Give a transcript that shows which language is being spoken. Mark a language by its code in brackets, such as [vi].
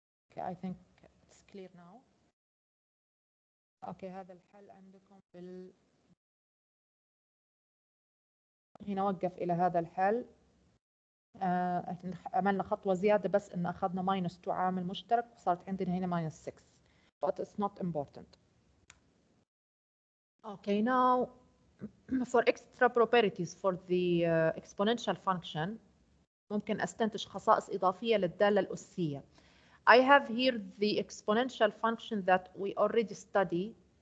[en] Okay, I think it's clear now. [ar] Okay, هذا الحل عندكم بال. هنا وقف إلى هذا الحل. عملنا خطوة زيادة بس إن أخذنا [en] minus two [ar] عامل مشترك وصارت عندنا هنا [en] minus six. But it's not important. Okay, now for extra properties for the exponential function, [ar] ممكن أستنتج خصائص إضافية للدالة الأسية. [en] I have here the exponential function that we already study.